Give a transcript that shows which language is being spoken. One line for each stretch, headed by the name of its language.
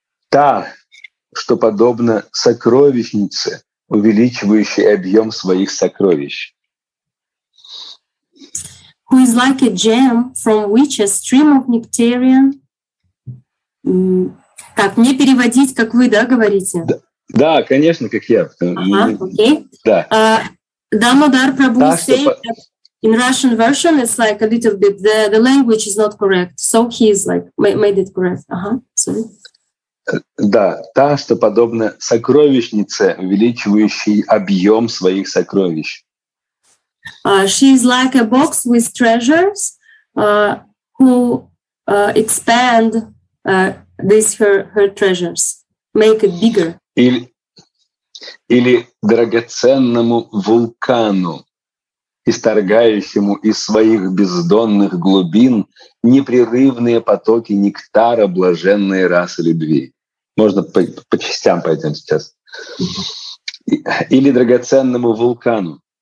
Russian: Та, что подобно сокровищнице, увеличивающей объем своих сокровищ.
English: Who is like a gem, from which a stream of nectarian...
Russian: Так, мне переводить, как вы, да, говорите? Да, конечно, как я. Ага, окей. Да.
English: Дамодар Прабху said in Russian version it's like a little bit, the language is not correct. So he is like, made it correct. Ага,
Russian: Да, та, что подобно сокровищнице, увеличивающей объем своих сокровищ.
English: She is like a box with treasures, who expand her treasures, make it bigger.
Russian: Или драгоценному вулкану, исторгающему из своих бездонных глубин непрерывные потоки нектара блаженной расы любви. Можно по частям пойдем сейчас. Или драгоценному вулкану.